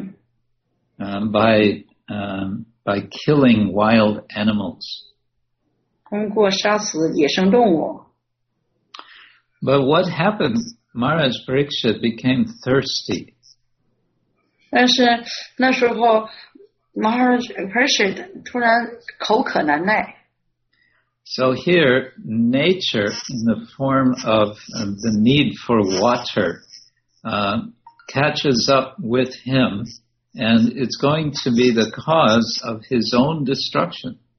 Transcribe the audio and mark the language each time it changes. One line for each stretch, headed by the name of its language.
Chinese: 这个国王呢，他是可以去狩猎的，这是一种征服自然的象征。
English: By killing wild animals.
Chinese: 通过杀死野生动物。
English: But what happened? Maharaj Parikshit became thirsty.
Chinese: 但是那时候, Maharaj Parikshit 突然口渴难耐。
English: So here, nature, in the form of the need for water, catches up with him, and it's going to be the cause of his own destruction.